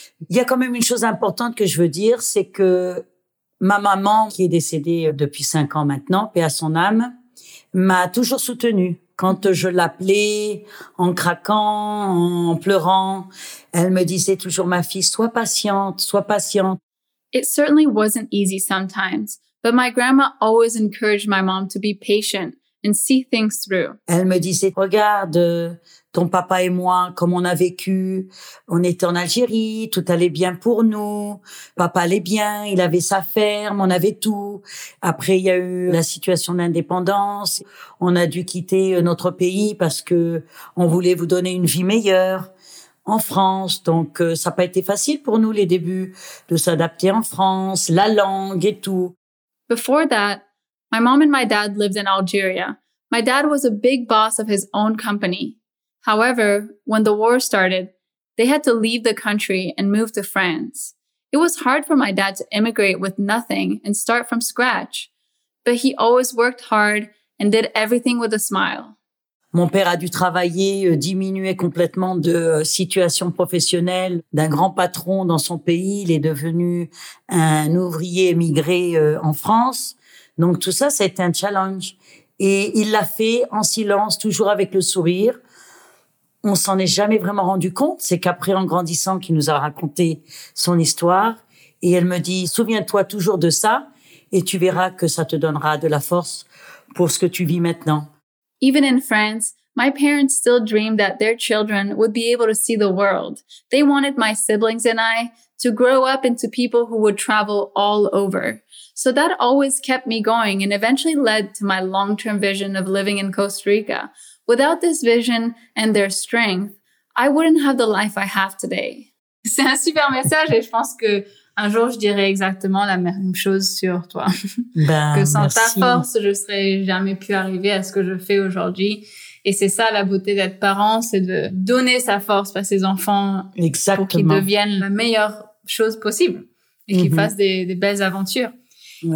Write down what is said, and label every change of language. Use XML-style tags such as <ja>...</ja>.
<fr>Il y a quand même une chose importante que je veux dire, c'est que ma maman, qui est décédée depuis 5 ans maintenant, paix à son âme, m'a toujours soutenue. Quand je l'appelais en craquant, en pleurant, elle me disait toujours, ma fille, sois patiente, sois patiente.</fr> <en>It certainly wasn't easy sometimes, but my grandma always encouraged my mom to be patient and see things through.</en> <fr>Elle me disait, regarde, ton papa et moi, comme on a vécu, on était en Algérie, tout allait bien pour nous, papa allait bien, il avait sa ferme, on avait tout. Après, il y a eu la situation d'indépendance, on a dû quitter notre pays parce que on voulait vous donner une vie meilleure en France. Donc, ça n'a pas été facile pour nous, les débuts, de s'adapter en France, la langue et tout.</fr> <en>Before that, my mom and my dad lived in Algeria. My dad was a big boss of his own company. However, when the war started, they had to leave the country and move to France. It was hard for my dad to immigrate with nothing and start from scratch, but he always worked hard and did everything with a smile.</en> <fr>Mon père a dû travailler, diminuer complètement de situation professionnelle d'un grand patron dans son pays. Il est devenu un ouvrier émigré en France. Donc tout ça, ça a été un challenge. Et il l'a fait en silence, toujours avec le sourire. On s'en est jamais vraiment rendu compte. C'est qu'après, en grandissant, qu'il nous a raconté son histoire. Et elle me dit, souviens-toi toujours de ça et tu verras que ça te donnera de la force pour ce que tu vis maintenant.</fr> <en>Even in France, my parents still dreamed that their children would be able to see the world. They wanted my siblings and I to grow up into people who would travel all over. So that always kept me going and eventually led to my long-term vision of living in Costa Rica. Without this vision and their strength, I wouldn't have the life I have today.</en> <fr>C'est un super message et je pense que un jour je dirai exactement la même chose sur toi. Ben, que sans merci. Ta force, je serais jamais pu arriver à ce que je fais aujourd'hui. Et c'est ça la beauté d'être parent, c'est de donner sa force à ses enfants exactement. Pour qu'ils deviennent la meilleure chose possible et qu'ils fassent des belles aventures. Ouais.</fr>